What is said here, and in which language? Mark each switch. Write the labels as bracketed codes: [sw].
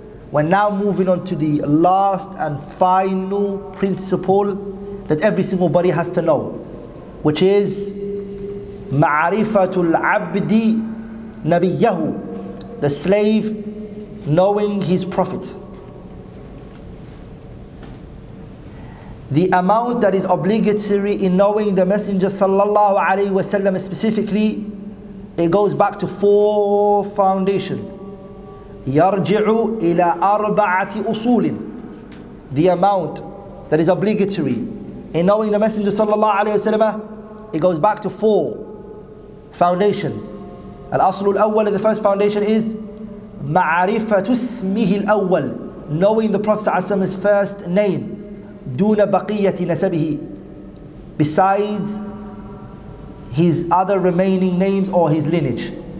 [en] We're now moving on to the last and final principle that every single body has to know, which is ma'rifatul abdi nabiyahu, the slave knowing his prophet. The amount that is obligatory in knowing the messenger sallallahu alayhi wa sallam specifically, it goes back to four foundations. [ar] يرجع إلى أربعة أصول. [en] The amount that is obligatory in knowing the Messenger sallallahu alayhi wa sallam, it goes back to four foundations. Al-Aslu al-Awwal, the first foundation is ma'arifatu ismihi al-Awwal, knowing the Prophet sallallahu alayhi wa sallam's first name, duna baqiyati nasabihi, besides his other remaining names or his lineage.